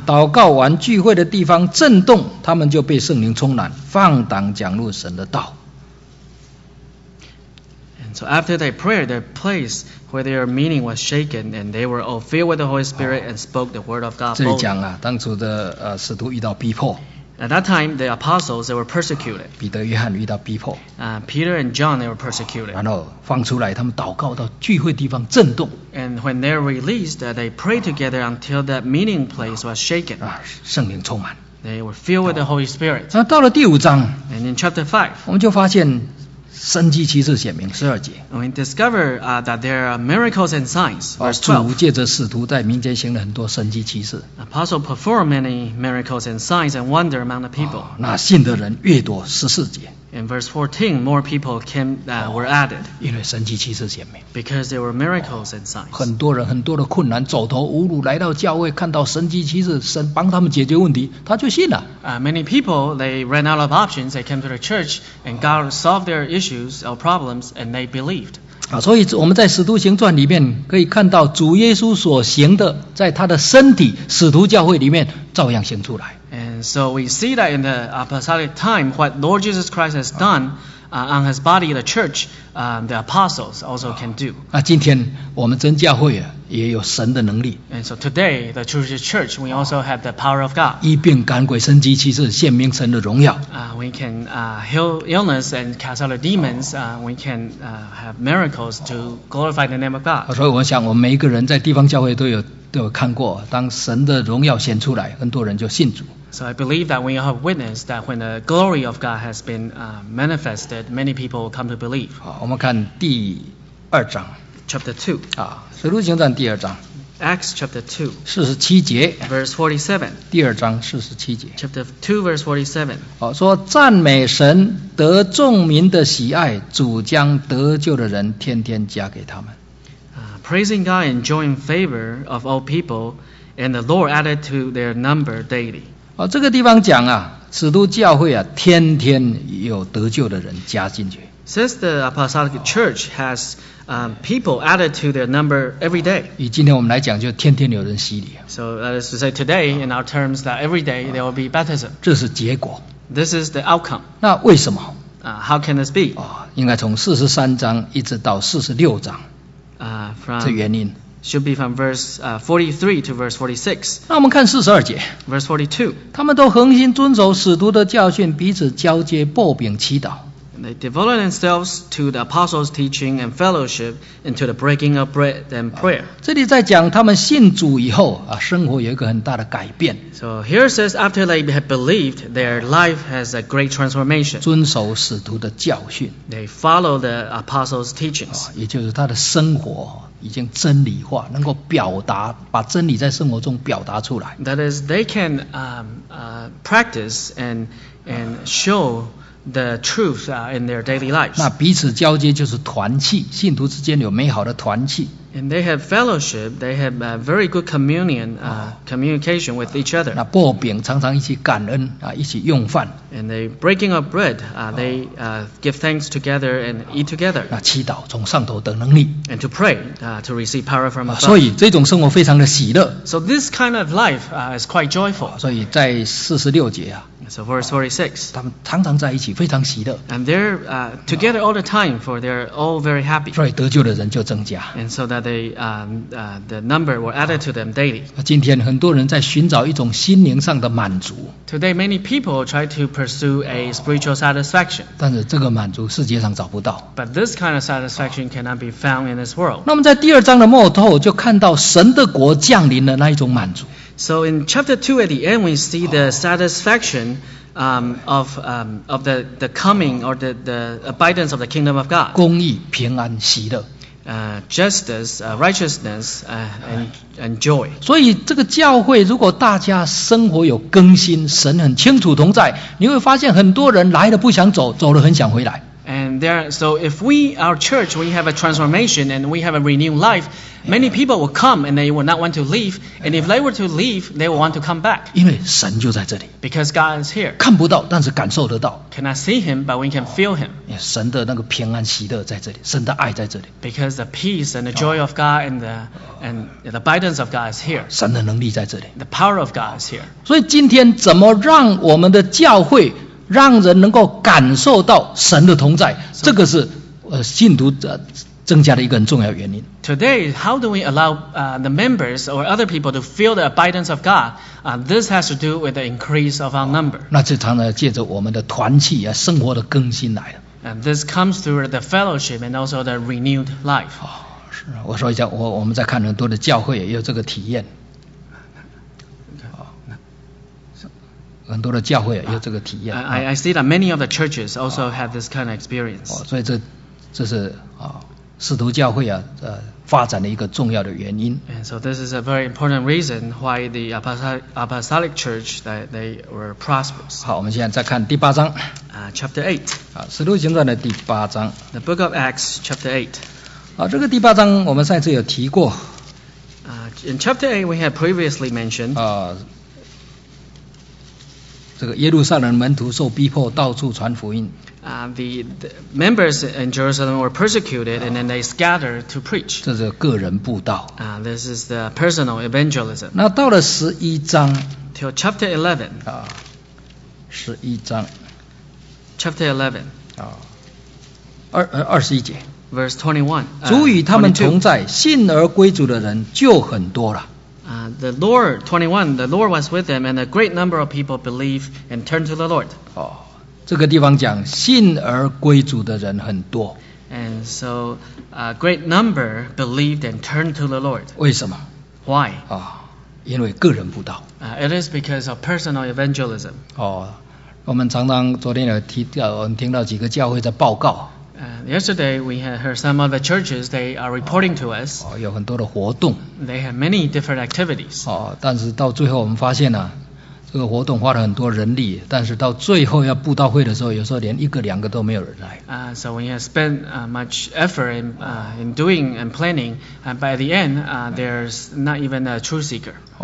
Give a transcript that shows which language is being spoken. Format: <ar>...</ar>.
<zh>祷告完聚会的地方震动，他们就被圣灵充满，放胆讲论神的道。</zh> <en>And so after they prayed, the place where their meeting was shaken, and they were all filled with the Holy Spirit and spoke the word of God.</en> <zh>这里讲啊，当初的使徒遇到逼迫。</zh> <en>At that time, the apostles they were persecuted.</en> <zh>彼得、约翰遇到逼迫。</zh> <en>Peter and John they were persecuted.</en> <zh>然后放出来，他们祷告到聚会地方震动。</zh> <en>And when they're released, they prayed together until that meeting place was shaken.</en> <zh>圣灵充满。</zh> <en>They were filled with the Holy Spirit.</en> <zh>那到了第五章。</zh> <en>And in chapter 5,</en> <zh>我们就发现神迹奇事显明，十二节。</zh> <en>We discover that there are miracles and signs. Verse 12.</en> <zh>主借着使徒在民间行了很多神迹奇事。</zh> <en>Apostle performed many miracles and signs and wonder among the people.</en> <zh>那信的人越多，十四节。</zh> <en>In verse 14, more people came were added.</en> <zh>因为神迹奇事显明。</zh> <en>Because there were miracles and signs.</en> <zh>很多人很多的困难，走投无路，来到教会，看到神迹奇事，神帮他们解决问题，他就信了。</zh> <en>Many people they ran out of options. They came to the church and God solved their issues or problems, and they believed.</en> <zh>所以我们在《使徒行传》里面可以看到主耶稣所行的，在他的身体使徒教会里面照样行出来。</zh> <en>And so we see that in the apostolic time, what Lord Jesus Christ has done on his body, the church, the apostles also can do.</en> <zh>今天我们真教会也有神的能力。</zh> <en>And so today, the true church, we also have the power of God.</en> <zh>医病赶鬼神迹奇事显明神的荣耀。</zh> <en>We can heal illness and cast out the demons. We can have miracles to glorify the name of God.</en> <zh>所以我想我们每一个人在地方教会都有看过，当神的荣耀显出来，很多人就信主。</zh> <en>So I believe that we have witnessed that when the glory of God has been manifested, many people come to believe.</en> <zh>我们看第二章。</zh> <en>Chapter 2.</en> <zh>使徒行传第二章。</zh> <en>Acts chapter 2.</en> <zh>四十七节。</zh> <en>Verse 47.</en> <zh>第二章四十七节。</zh> <en>Chapter 2, verse 47.</en> <zh>说赞美神得众民的喜爱，主将得救的人天天加给他们。</zh> <en>Praising God and enjoying favor of all people, and the Lord added to their number daily.</en> <zh>这个地方讲啊，使徒教会啊，天天有得救的人加进去。</zh> <en>Since the apostolic church has people added to their number every day.</en> <zh>以今天我们来讲，就天天有人洗礼。</zh> <en>So that is to say, today in our terms, that every day there will be baptism.</en> <zh>这是结果。</zh> <en>This is the outcome.</en> <zh>那为什么？</zh> <en>How can this be?</en> <zh>应该从四十三章一直到四十六章。这原因</zh> <en>should be from verse 43 to verse 46.</en> <zh>那我们看42节</zh> <en>verse 42.</en> <zh>他们都恒心遵守使徒的教训，彼此交接，擘饼祈祷。</zh> <en>They devoted themselves to the apostles' teaching and fellowship, and to the breaking of bread and prayer.</en> <zh>这里在讲他们信主以后生活有一个很大的改变。</zh> <en>So here it says after they have believed, their life has a great transformation.</en> <zh>遵守使徒的教训。</zh> <en>They follow the apostles' teachings.</en> <zh>也就是他的生活已经真理化，能够表达，把真理在生活中表达出来。</zh> <en>That is, they can practice and show the truth in their daily lives.</en> <zh>那彼此交接就是团契，信徒之间有美好的团契。</zh> <en>And they have fellowship, they have a very good communion, communication with each other.</en> <zh>那擘饼常常一起感恩一起用饭。</zh> <en>And they breaking of bread, they give thanks together and eat together.</en> <zh>那祈祷从上头得能力。</zh> <en>And to pray, to receive power from above.</en> <zh>所以这种生活非常的喜乐。</zh> <en>So this kind of life is quite joyful.</en> <zh>所以在四十六节</zh> <en>So verse 46.</en> <zh>他们常常在一起，非常喜乐。</zh> <en>And they're together all the time, for they're all very happy.</en> <zh>所以得救的人就增加。</zh> <en>And so that they the number were added to them daily.</en> <zh>今天很多人在寻找一种心灵上的满足。</zh> <en>Today many people try to pursue a spiritual satisfaction.</en> <zh>但是这个满足世界上找不到。</zh> <en>But this kind of satisfaction cannot be found in this world.</en> <zh>那么在第二章的末头就看到神的国降临的那一种满足。</zh> <en>So in chapter 2 at the end, we see the satisfaction of the coming or the abundance of the kingdom of God.</en> <zh>公义、平安、喜乐。</zh> <en>Justice, righteousness, and joy.</en> <zh>所以这个教会如果大家生活有更新，神很清楚同在，你会发现很多人来了不想走，走了很想回来。</zh> <en>And there, so if we, our church, we have a transformation and we have a renewed life, Many people will come and they will not want to leave. And if they were to leave, they will want to come back.</en> <zh>因为神就在这里。</zh> <en>Because God is here.</en> <zh>看不到，但是感受得到。</zh> <en>Cannot see him, but we can feel him.</en> <zh>神的那个平安喜乐在这里，神的爱在这里。</zh> <en>Because the peace and the joy of God and the abundance of God is here.</en> <zh>神的能力在这里。</zh> <en>The power of God is here.</en> <zh>所以今天怎么让我们的教会让人能够感受到神的同在，这个是信徒增加的一个很重要原因。</zh> <en>Today, how do we allow the members or other people to feel the abundance of God? This has to do with the increase of our number.</en> <zh>那这常常借着我们的团契啊，生活的更新来了。</zh> <en>And this comes through the fellowship and also the renewed life.</en> <zh>是，我说一下，我们在看很多的教会也有这个体验。很多的教会也有这个体验。</zh> <en>I see that many of the churches also have this kind of experience.</en> <zh>所以这是使徒教会发展的一个重要的原因。</zh> <en>And so this is a very important reason why the apostolic church that they were prosperous.</en> <zh>好，我们现在再看第八章。</zh> <en>Chapter 8.</en> <zh>使徒行传的第八章。</zh> <en>The Book of Acts, Chapter 8.</en> <zh>这个第八章我们上次有提过。</zh> <en>In Chapter 8, we had previously mentioned.</en> <zh>这个耶路撒冷门徒受逼迫，到处传福音。</zh> <en>The members in Jerusalem were persecuted, and then they scattered to preach.</en> <zh>这是个人布道。</zh> <en>This is the personal evangelism.</en> <zh>那到了十一章。</zh> <en>Till chapter 11.</en> <zh>十一章。</zh> <en>Chapter 11.</en> <zh>二十一节。</zh> <en>Verse 21.</en> <zh>主与他们同在，信而归主的人就很多了。</zh> <en>The Lord, 21, the Lord was with them, and a great number of people believed and turned to the Lord.</en> <zh>这个地方讲信而归主的人很多。</zh> <en>And so a great number believed and turned to the Lord.</en> <zh>为什么？</zh> <en>Why?</en> <zh>因为个人布道。</zh> <en>It is because of personal evangelism.</en> <zh>我们常常昨天有听到几个教会在报告。</zh> <en>Yesterday, we had heard some of the churches, they are reporting to us.</en> <zh>有很多的活动。</zh> <en>They have many different activities.</en> <zh>但是到最后我们发现这个活动花了很多人力，但是到最后要布道会的时候，有时候连一个两个都没有人来。</zh> <en>So we have spent much effort in doing and planning, by the end, there's not even a truth seeker.</en>